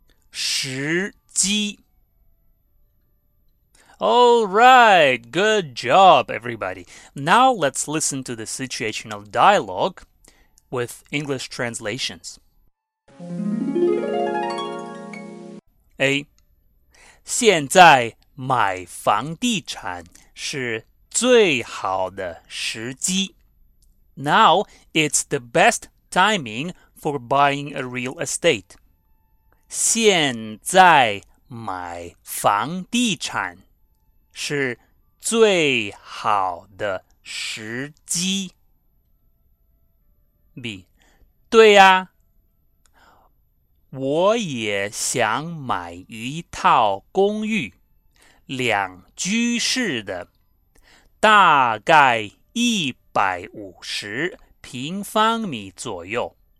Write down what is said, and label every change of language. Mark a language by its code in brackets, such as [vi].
[en] 时机 All right, good job, everybody. Now let's listen to the situational dialogue with English translations. A. [zh] 现在买房地产是最好的时机。 [en] Now, it's the best timing for buying a real estate. [zh] 现在买房地产是最好的时机。 B. 对呀。我也想买一套公寓，两居室的，大概150平方米左右。